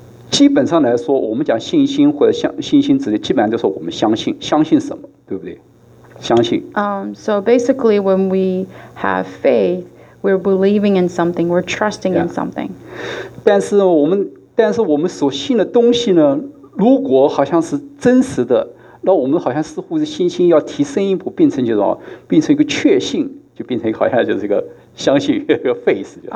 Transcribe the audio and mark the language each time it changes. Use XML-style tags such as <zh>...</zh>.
<zh>基本上来说，我们讲信心或者信心之类，基本上就是我们相信什么，对不对？相信。</zh> <en>So basically, when we have faith. We're believing in something. We're trusting in something.</en> <zh>但是我们所信的东西呢，如果好像是真实的，那我们好像似乎是信心要提升一步，变成一个确信，就变成好像就是一个相信一个 faith.</zh>